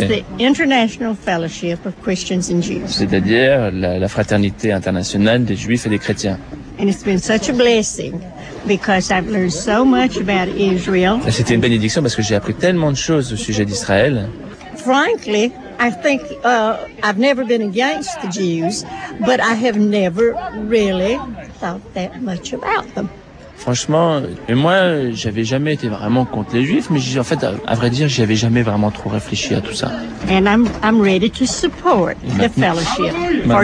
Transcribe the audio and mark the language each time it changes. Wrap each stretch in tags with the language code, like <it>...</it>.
<en>Which is the International Fellowship of Christians and Jews.</en> <fr>C'est-à-dire la fraternité internationale des Juifs et des chrétiens.</fr> <en>And it's been such a blessing because I've learned so much about Israel.</en> <fr>C'était une bénédiction parce que j'ai appris tellement de choses au sujet d'Israël.</fr> <en>Frankly, I think I've never been against the Jews, but I have never really thought that much about them.</en> <fr>Franchement, et moi, j'avais jamais été vraiment contre les Juifs, mais en fait, à vrai dire, j'y avais jamais vraiment trop réfléchi à tout ça.</fr> <en>And I'm ready to support the fellowship for you.</en>